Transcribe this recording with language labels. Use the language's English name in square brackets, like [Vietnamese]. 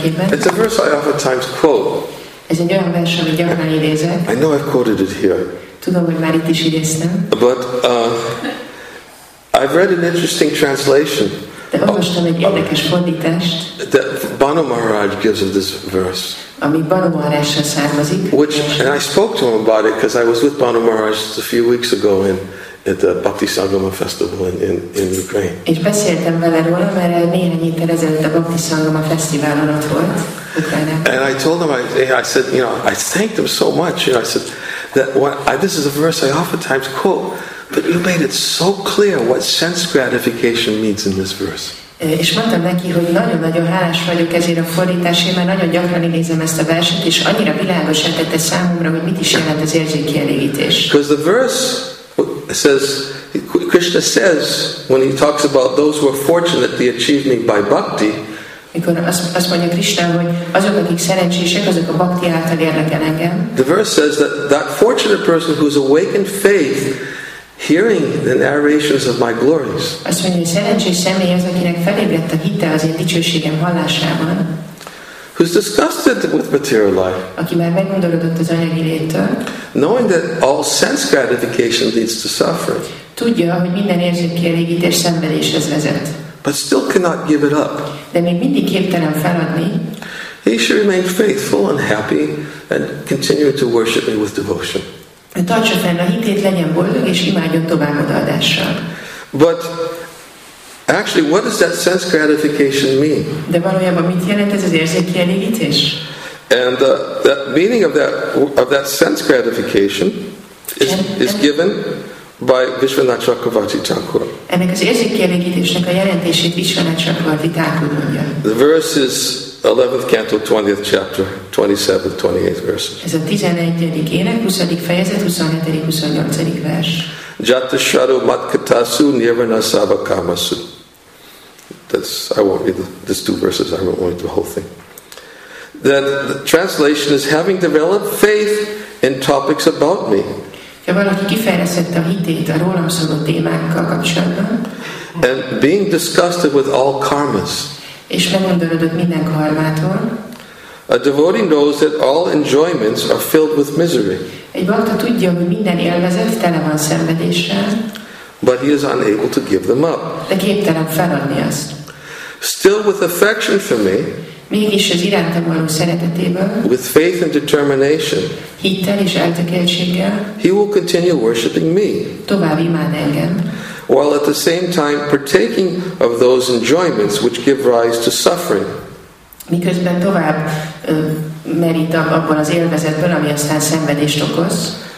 [English] It's a verse I oftentimes quote. [Hungarian] Ez egy olyan vers, amit gyakran idézek. [English] I know I've quoted it here. [Hungarian] Tudom, hogy már itt is idéztem. [English] But I've read an interesting translation. [Hungarian] De olvastam egy érdekes fordítást. [English] That Bhanu Maharaj gives of this verse. [Hungarian] Ami Bhanu Maharajra származik. [English] Which, and I spoke to him about it because I was with Bhanu Maharaj just a few weeks ago at the Bhakti Sangama festival in Ukraine. [Hungarian] És beszéltem vele róla, mert néhány héttel ezelőtt a Bhakti Sangama fesztiválon ott volt. [English] And I told him, I said, you know, I thanked him so much. You know, I said that this is a verse I oftentimes quote, but you made it so clear what sense gratification means in this verse. [Hungarian] És mondtam neki, hogy nagyon-nagyon hálás vagyok ezért a fordításért, mert nagyon gyakran idézem ezt a verset, és annyira világosan tette számomra, hogy mit is jelent az érzékkielégítés. [English] Because the verse says, Krishna says, when he talks about those who are fortunate, the achievement by bhakti, [Hungarian] mikor azt mondja Krishna, hogy azok, akik szerencsések, azok a bhakti által érnek el engem. [English] The verse says that fortunate person who's awakened faith, hearing the narrations of my glories. [Hungarian] Azt mondja, hogy szerencsés személy az, akinek felébredt a hite az én dicsőségem hallásában. [English] Who's disgusted with material life? [Hungarian] Aki már megundorodott az anyagi léttől. [English] Knowing that all sense gratification leads to suffering. [Hungarian] Tudja, hogy minden érzékkielégítés szenvedéshez vezet. [English] But still cannot give it up. [Hungarian] De még mindig képtelen feladni. [English] He should remain faithful and happy and continue to worship me with devotion. [Hungarian] Tartsa fenn a hitét, legyen boldog és imádjon tovább odaadással. [English] But actually, what does that sense gratification mean? [Hungarian] De valójában mit jelent ez az érzékkielégítés? [English] And that meaning of that sense gratification is given by Vishwanath Chakravarti Thakur. [Hungarian] Ennek az érzékkielégítésnek a jelentését Vishwanath Chakravarti Thakur mondja. [English] The verse is 11th canto, 20th chapter, 27th, 28th verses. [Hungarian] Ez a 11. ének, 20. fejezet, 27. 28. vers. [Sanskrit] Jatasharu matkatasu nirvanasava kamasu. [English] I won't read these two verses, I won't read the whole thing. That the translation is having developed faith in topics about me. [Hungarian] Ha valaki kifejlesztette a hitét a rólam szóló témákkal kapcsolatban. [English] And being disgusted with all karmas. [Hungarian] És megundorodott minden karmától. [English] A devotee knows that all enjoyments are filled with misery. [Hungarian] Egy bhakta tudja, hogy minden élvezet tele van szenvedéssel. [English] But he is unable to give them up. [Hungarian] De képtelen feladni azt. [English] Still with affection for me. [Hungarian] Mégis az irántam való szeretetéből. [English] With faith and determination. [Hungarian] Hittel és eltökéltséggel. [English] He will continue worshipping me. [Hungarian] Tovább imád engem. [English] While at the same time partaking of those enjoyments which give rise to suffering. [Hungarian] Miközben tovább merít abban az élvezetből, ami aztán szenvedést okoz.